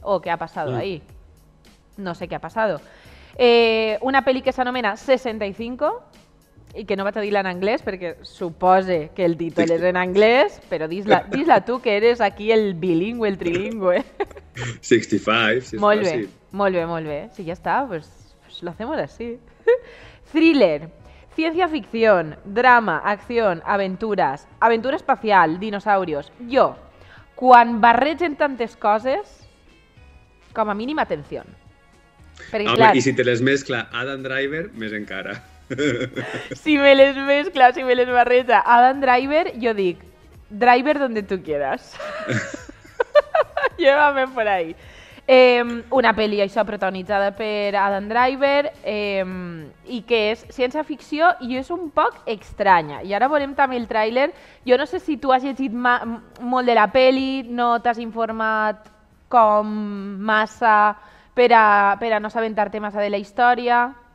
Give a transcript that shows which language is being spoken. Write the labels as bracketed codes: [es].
[ca] Oh, què ha passat ahí? No sé què ha passat. Una pel·li que s'anomena 65, i que no vaig a dir-la en anglès, perquè supose que el títol és en anglès, però dis-la tu, que eres aquí el bilingüe, el trilingüe. 65, si molt bé, molt bé, molt bé. [es] Si ja està, pues lo hacemos así. Thriller, ciencia ficción, drama, acción, aventuras, aventura espacial, dinosaurios. [ca] Jo, quan barregen tantes coses, com a mínim atención. Perquè, home, clar, i si te les mescla Adam Driver, més encara. [es] Si me les mezcla, [ca] si me les barreja [es] Adam Driver, yo dic Driver donde tú quieras. Llévame por ahí. [ca] Una peli això protagonitzada per Adam Driver, i que és ciència ficció i és un poc estranya. I ara veurem també el tràiler. Jo no sé si tu has llegit molt de la peli, no t'has informat com massa per a no assabentar-te massa de la història.